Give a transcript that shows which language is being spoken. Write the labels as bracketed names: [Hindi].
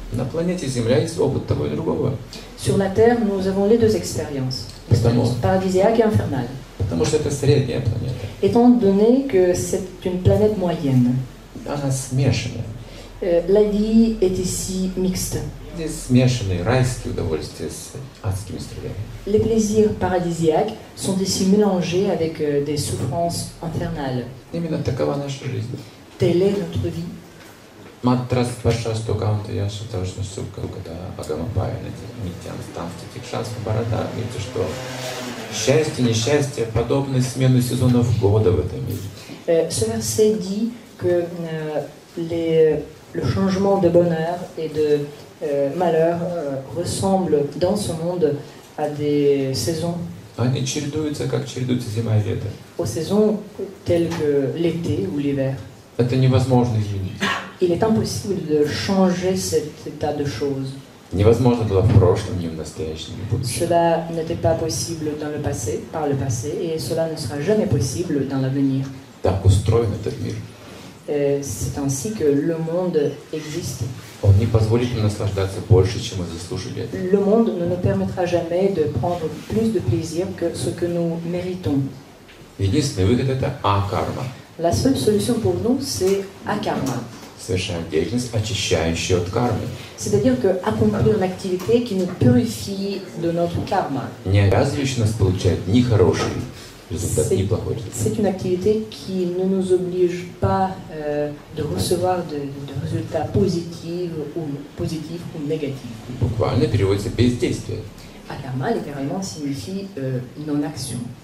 [Russian] На планете Земля есть опыт того и другого. [French] Sur la Terre, nous avons les deux expériences, paradisiaque et infernale. [Russian] Потому что это средняя планета. [French] Étant donné que c'est une planète moyenne. [Russian] Она смешанная. [French] La vie est ici mixte. [Russian] Здесь смешанные райские удовольствия с адскими страданиями. [French] Les plaisirs paradisiaques sont ici mélangés avec des souffrances infernales. [Russian] Именно такова наша жизнь. [French] Telle est notre vie. Матрас пашастокам тя сутажна сука когда агамапая нитям там в этих шансах борода [Russian] видите что счастье несчастье подобны смену сезонов года в этом мире. [French] Ce verset dit que le changement de bonheur et de malheur ressemble dans ce monde à des saisons. [Russian] Они чередуются, как чередуются зима и лето. [French] Aux saisons telles que l'été ou l'hiver. [Russian] Это невозможно изменить. [French] Il est impossible de changer cet état de choses. [Russian] Невозможно было в прошлом, ни в настоящем, ни в будущем. [French] Cela n'était pas possible dans le passé, par le passé, et cela ne sera jamais possible dans l'avenir. [Russian] Так устроен этот мир. [French] C'est ainsi que le monde existe. [Russian] Он не позволит нам наслаждаться больше, чем мы заслужили. [French] Le monde ne nous permettra jamais de prendre plus de plaisir que ce que nous méritons. [Russian] Единственный выход – это акарма. [French] La seule solution pour nous, c'est акарма. [Russian] Совершаем деятельность, очищающую от кармы. [French] C'est-à-dire que accomplir une activité qui nous purifie de notre karma. [Russian] Не обязывающий нас получать ни хороший результат, ни плохой результат. [French] C'est une activité qui ne nous oblige pas de recevoir de résultats positifs ou négatifs. [Russian] Буквально переводится бездействие. [French] Акарма littéralement signifie non-action.